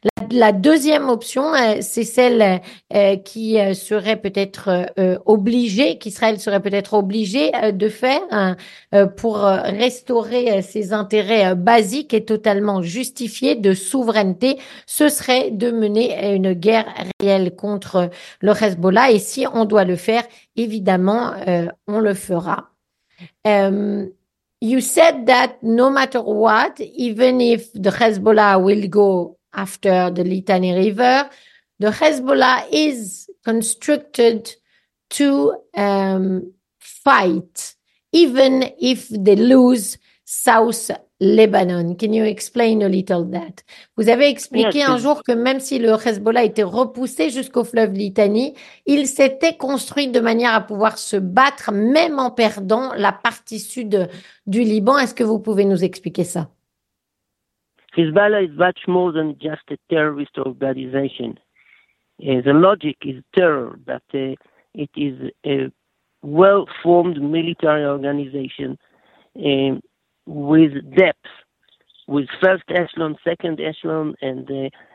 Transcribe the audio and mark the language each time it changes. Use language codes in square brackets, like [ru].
[fr] La deuxième option, c'est celle qui serait peut-être obligée, qu'Israël serait peut-être obligé de faire pour restaurer ses intérêts basiques et totalement justifiés de souveraineté, ce serait de mener une guerre réelle contre le Hezbollah. Et si on doit le faire, évidemment, on le fera. [en] You said that no matter what, even if the Hezbollah will go after the Litani River, the Hezbollah is constructed to fight, even if they lose South Lebanon. Can you explain a little that? [fr] Vous avez expliqué un jour que même si le Hezbollah était repoussé jusqu'au fleuve Litani, il s'était construit de manière à pouvoir se battre, même en perdant la partie sud du Liban. Est-ce que vous pouvez nous expliquer ça? [en] Hezbollah is much more than just a terrorist organization. The logic is terror, but it is a well-formed military organization with depth, with first echelon, second echelon, and